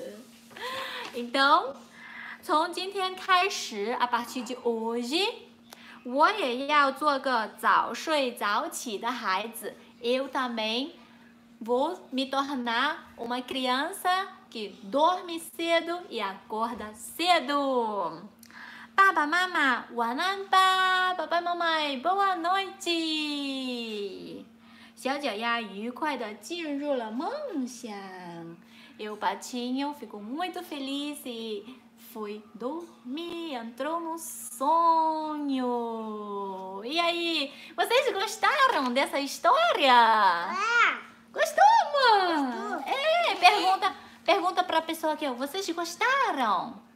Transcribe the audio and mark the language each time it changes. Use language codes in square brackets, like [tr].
[zh] 所有的小朋友都已经睡着了，现在他也要去睡睡了，是不是？是。Então, ,从今天开始, [pt] a partir de hoje, [zh] 我也要做个早睡早起的孩子. [pt] Eu também vou me tornar uma criança que dorme cedo e acorda cedo. Papa, mama, [zh] 晚安吧, [pt] papai, mamãe, boa noite. [zh] 小脚丫愉快地进入了梦想. [pt] E o patinho ficou muito feliz e foi dormir, entrou no sonho. E aí, vocês gostaram dessa história? É. Gostou, mãe? Gostou. É, pergunta, pergunta pra pessoa aqui, vocês gostaram?